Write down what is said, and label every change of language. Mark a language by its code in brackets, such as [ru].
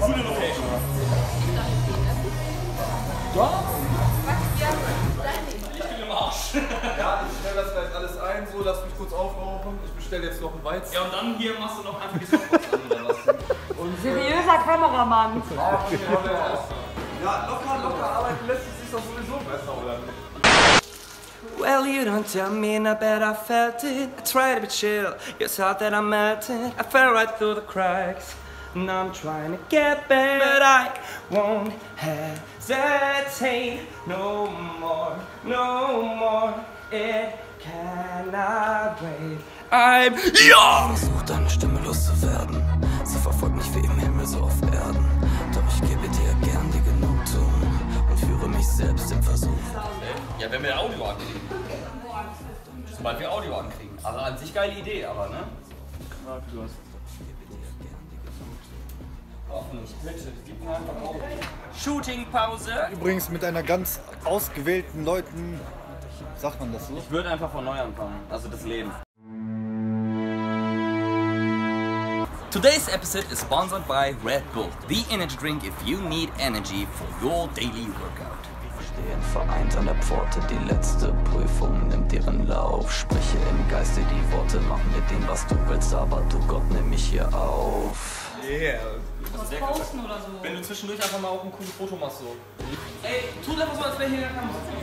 [de] Komm in die Location. Ja, ich stelle das gleich alles ein, so lass mich kurz aufrauchen. Ich bestelle jetzt noch einen Weizen. Ja, und dann hier machst du noch einen Gesang. Seriöser Kameramann. Ja, locker arbeiten lässt es sich doch sowieso besser, oder nicht? [en] Well, you don't tell me, and I bet I felt it. I try to be chill, you saw that I melted. I fell right through the cracks, and I'm trying to get back. But I won't hesitate no more, no more. It cannot wait. I'm young! [de] Ich versuch deine Stimme loszuwerden. Sie verfolgt mich wie im Himmel so auf Erden. Doch ich gebe dir gern die Genugtuung und führe mich selbst im Versuch. Ja, wenn wir Audio ankriegen. Sobald wir Audio ankriegen. Also an sich geile Idee, aber ne? Du hast. Shooting Pause. Übrigens mit einer ganz ausgewählten Leuten. Sagt man das so? Ich würde einfach von neu anfangen. Also das Leben. [en] Today's episode is sponsored by Red Bull, the energy drink if you need energy for your daily workout. [de] Stehen vereint an der Pforte, die letzte Prüfung nimmt ihren Lauf. Spreche im Geiste die Worte, mach mit dem, was du willst, aber du Gott, nimm mich hier auf. Yeah. Was posten oder so? Wenn du zwischendurch einfach mal auch ein cooles Foto machst, so. Ey, tut einfach so, als wäre hier in der Kamera.